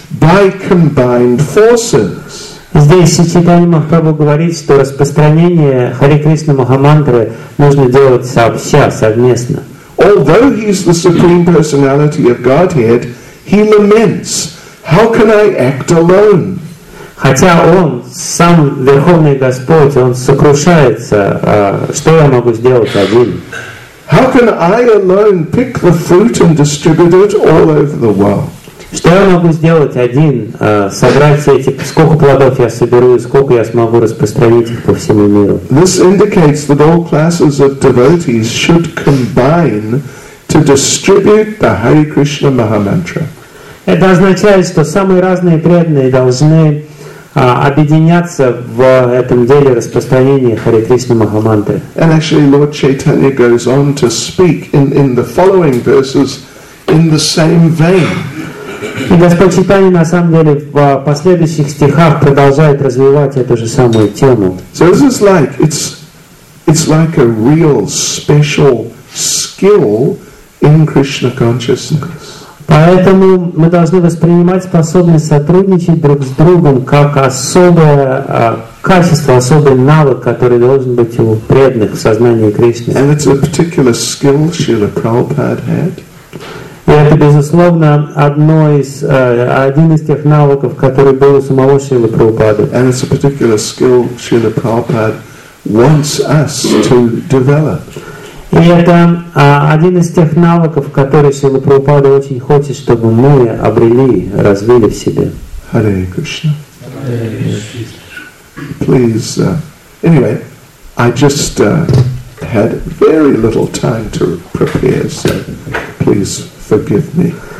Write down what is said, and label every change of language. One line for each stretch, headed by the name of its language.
English: by combined forces.
Russian: Здесь Сичитани Махапрабху говорит, что распространение Хари Кришна Махамантры нужно делать сообща, совместно.
English: Although he is the Supreme Personality of Godhead, he laments, how can I act alone?
Russian: Хотя он сам Верховный Господь, он сокрушается, что я могу сделать один?
English: How can I alone pick the fruit and distribute it all over the world?
Russian: Что я могу сделать один, собрать все эти, сколько плодов я соберу и сколько я смогу распространить их по всему миру?
English: This indicates that all classes of devotees should combine to distribute the Hare Krishna Mahamantra.
Russian: Это означает, что самые разные преданные должны объединяться в этом деле распространения Хари Кришна Махамантры.
English: And actually Lord Chaitanya goes on to speak in the following verses in the same vein.
Russian: И Господь Чайтанья на самом деле в последующих стихах продолжает развивать эту же самую тему.
English: So this is like it's like a real special skill in Krishna consciousness.
Russian: Поэтому мы должны воспринимать способность сотрудничать друг с другом как особое качество, особый навык, который должен быть у преданных в сознании Кришны.
English: And it's a particular skill Srila Prabhupada had.
Russian: И это, безусловно, один из тех навыков, который был у самого Шрилы Прабхупады.
English: And it's a particular skill Srila Prabhupada wants us to develop.
Russian: И это один из тех навыков, которые Шрила Прабхупада очень хочет, чтобы мы обрели, развили в себе.
English: Hare Krishna. Hare Krishna. Anyway, I just had very little time to prepare, so please forgive me.